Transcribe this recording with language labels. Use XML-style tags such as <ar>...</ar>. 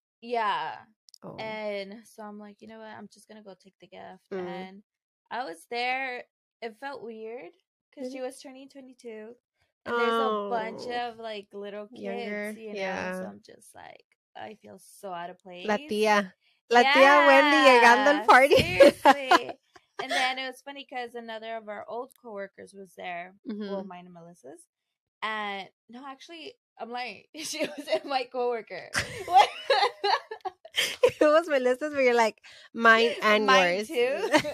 <en>Yeah. Oh. And so I'm like, you know what? I'm just gonna go take the gift and. I was there. It felt weird because she was turning 22. And there's a bunch of, like, little kids, you know. So I'm just like, I feel so out of place.</en> <es>La tía Wendy llegando al party.</es> <en>Seriously. And then it was funny because another of our old coworkers was there. Mm-hmm. Well, mine and Melissa's. And, no, actually, I'm like, she was in my coworker. What? It was Melissa's, but you're like, mine and yours. Mine too.</en>